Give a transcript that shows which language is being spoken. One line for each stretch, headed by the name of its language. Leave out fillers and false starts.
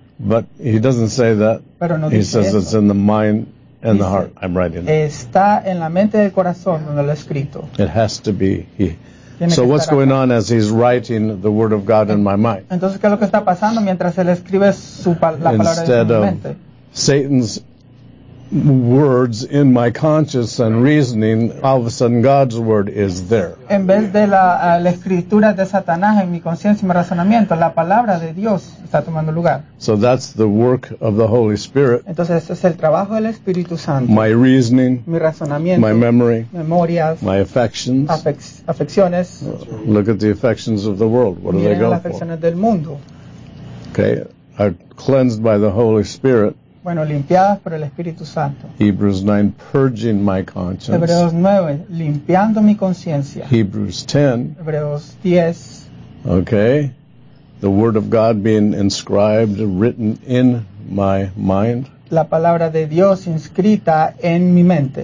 English: But he doesn't say that.
Spanish: Pero no
English: he
Spanish: dice
English: says
Spanish: eso.
English: It's in the mind and the heart. I'm writing.
Spanish: Está en la mente del corazón donde lo he escrito.
English: It has to be here. So what's going on as he's writing the word of God in my mind?
Spanish: Entonces, ¿qué es lo que está pasando mientras él escribe su la palabra en mi mente?
English: Instead of Satan's words in my conscience and reasoning, all of a sudden God's word is there.
Spanish: En vez de la escritura de Satanás en mi conciencia y mi razonamiento, la palabra de Dios está tomando lugar.
English: So that's the work of the Holy Spirit.
Spanish: Entonces, ese es el trabajo del Espíritu Santo.
English: My reasoning.
Spanish: Mi razonamiento.
English: My memory.
Spanish: Memorias.
English: My affections.
Spanish: Afecciones.
English: Look at the affections of the world. What do they go for?
Spanish: Las afecciones del mundo.
English: Okay, are cleansed by the Holy Spirit.
Spanish: Bueno, limpiadas por el Espíritu Santo.
English: Hebrews 9, purging my conscience.
Spanish: Hebreos 9, limpiando mi conciencia.
English: Hebrews 10.
Spanish: Hebreos 10.
English: Okay. The word of God being inscribed, written in my mind.
Spanish: La palabra de Dios inscrita en mi mente.